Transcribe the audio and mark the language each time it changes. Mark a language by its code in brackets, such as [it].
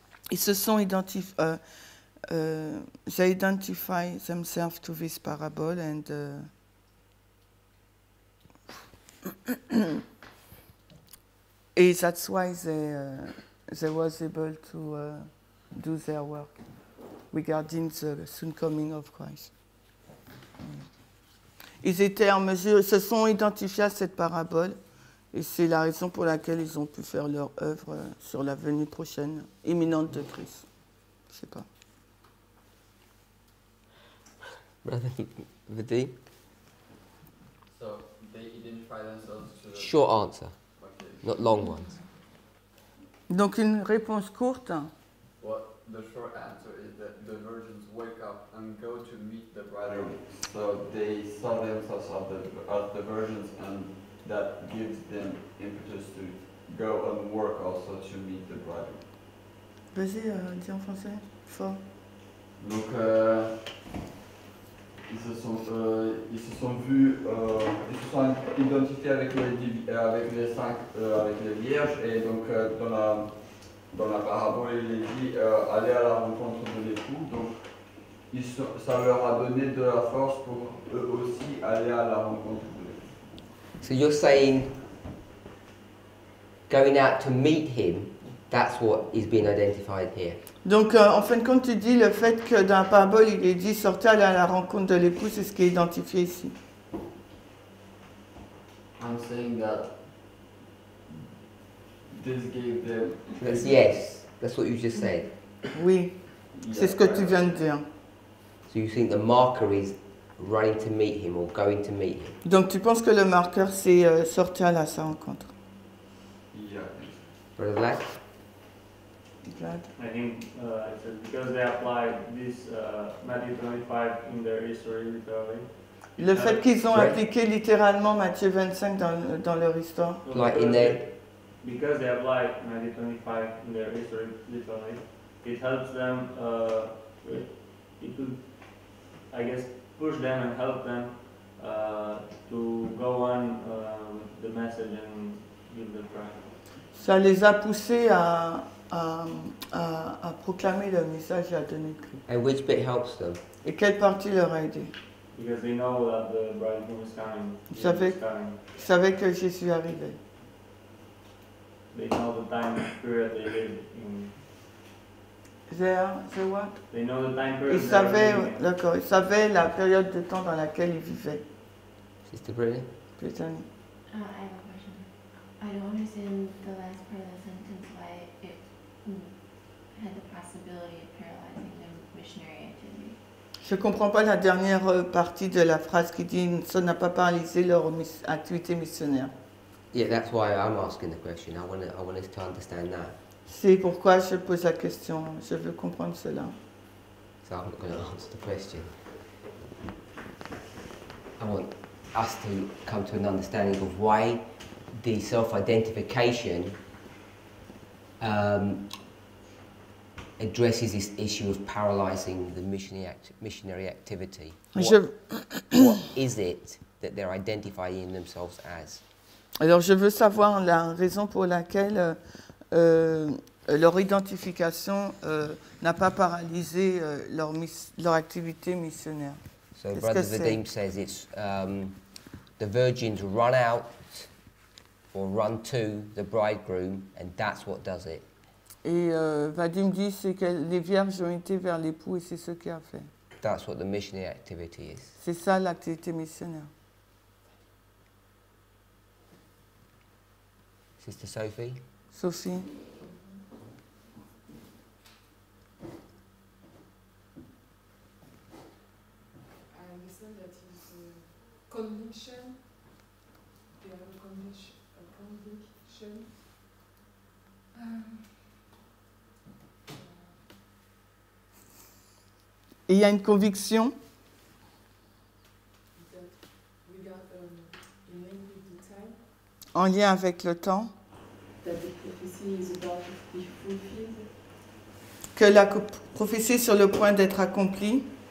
[fr] Ils se sont [en] they identify themselves to this parable and et that's why they was able to do their work regarding the soon coming of Christ. [fr] Ils étaient en mesure, se sont identifiés à cette parabole et c'est la raison pour laquelle ils ont pu faire leur œuvre sur la venue prochaine, imminente de Christ. Je sais pas. [en] Brother Vadim? So, they identify themselves to... Short answer. Not long ones. [fr] Donc une réponse courte. [en] Well, the short answer is that the virgins wake up and go to meet the bridegroom. So they saw themselves as the virgins, and that gives them impetus to go and work also to meet the bridegroom. [fr] Vas-y, dis en français, fort. Donc ils se sont identifiés avec les vierges et donc dans la dans la parabole, il est dit aller à la rencontre de l'époux. Donc, ça leur a donné de la force pour eux aussi aller à la rencontre de l'époux. [en] So you're saying going out to meet him, that's what is being identified here. [fr] Donc, en fin de compte, tu dis le fait que dans la parabole, il est dit sortez aller à la rencontre de l'époux, c'est ce qui est identifié ici. [en] I'm saying that this gave them. Yes, that's what you just said. [fr] Oui, c'est ce que tu viens de dire. [en] So you think the marker is running to meet him or going to meet him? [fr] Donc tu penses que le marqueur c'est sortir à la sa rencontre? [en] Yeah. Brother Black? Black? I think I said because they applied this Matthew 25 in their history literally. [fr] Le fait qu'ils ont appliqué littéralement Matthieu 25 dans leur histoire. [en] Like in their... Because they applied Matthieu 25 in their history literally, it helps them. It could, I guess, push them and help them to go on with the message and give the prayer. [fr] Ça les a poussés à proclamer le message et à donner Christ. [en] And which bit helps them? [fr] Et quelle partie leur a aidé? [en] Because they know that the bridegroom is coming. [fr] Ils savaient que Jésus arrivait. [en] They know the time period they live in. They know the time period. [fr] Ils savaient la période de temps dans laquelle ils vivaient. [en] Sister Brittany. Brittany. I have a question. I don't understand the last part of the sentence why it had the possibility of paralyzing the missionary activity. [fr] Je comprends pas la dernière partie de la phrase qui dit ça n'a pas paralysé leur activité missionnaire. [en] Yeah, that's why I'm asking the question. I want us to understand that. [fr] C'est pourquoi je pose la question. Je veux comprendre cela. [en] So I'm not going to answer the question. I want us to come to an understanding of why the self-identification addresses this issue of paralyzing the missionary activity. What is it that they're identifying themselves as? [fr] Alors, je veux savoir la raison pour laquelle... leur identification n'a pas paralysé leur activité missionnaire. [en] So Brother Vadim says it's the virgins run out or run to the bridegroom and that's what does it. [fr] Et Vadim dit c'est que les vierges ont été vers l'époux et c'est ce qui a fait. [en] That's what the missionary activity is. [fr] C'est ça l'activité missionnaire. [en] Sister Sophie. Sophie. Conviction, they have a conviction. [fr] Il y a une conviction. En lien avec le temps. [en] That the prophecy is about to be fulfilled. [fr] Que la prophétie est sur le point d'être accomplie.